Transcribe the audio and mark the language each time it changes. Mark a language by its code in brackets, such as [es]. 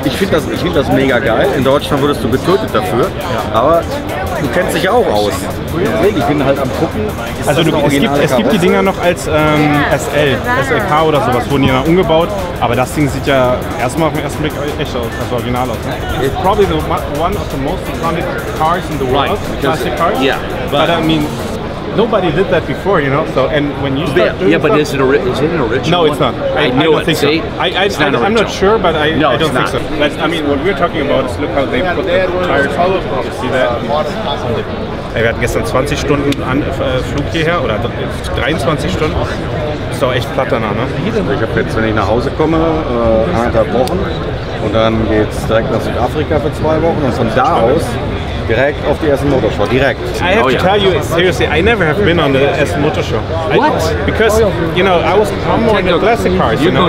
[de] Ich finde das, find das mega geil. In Deutschland würdest du getötet dafür. Ja. Aber du kennst dich auch aus. Ich bin halt am gucken. Also du, es gibt die Dinger noch als SLK oder sowas, wurden hier umgebaut. Aber das Ding sieht ja erstmal auf den ersten Blick echt aus, also original aus. Ne? [en] It's probably the one of the most iconic cars in the world. Right. Classic cars. Yeah. But I mean, nobody did that before, you know. So and when you start doing Is it is it an original? No, it's not. I'm not sure, but I don't think so. But, I mean, what we're talking about is look how they put the tires on. You see that? [de] Wir hatten gestern 20 Stunden Flug hierher oder 23 Stunden. Ist doch echt platt danach, ne? Ich habe jetzt, wenn ich nach Hause komme, anderthalb Wochen und dann geht's direkt nach Südafrika für 2 Wochen und von da aus. Direkt auf die Essen Motorshow, direkt. [en] I have to tell you, seriously, I never have been on the Essen Motorshow. What? Because, you know, I was more into classic cars, you know.